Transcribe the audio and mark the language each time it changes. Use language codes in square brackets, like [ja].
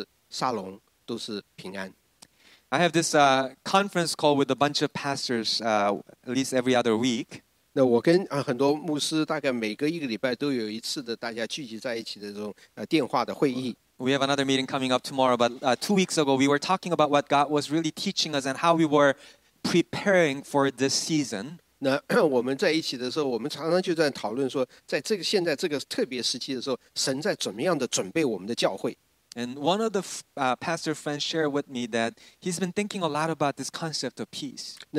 [zh] 耶稣进入他们中间想说讲的第一句话就是沙龙都是平安。 [en] I have this conference call with a bunch of pastors at least every other week. [zh] 那我跟很多牧师大概每个一个礼拜都有一次的大家聚集在一起的这种电话的会议。 [en] We have another meeting coming up tomorrow, but 2 weeks ago, we were talking about what God was really teaching us and how we were preparing for this season. [zh] 那我们在一起的时候，我们常常就在讨论说，在这个现在这个特别时期的时候，神在怎么样的准备我们的教会。 [en] And one of the pastor friends shared with me that he's been thinking a lot about this concept of peace.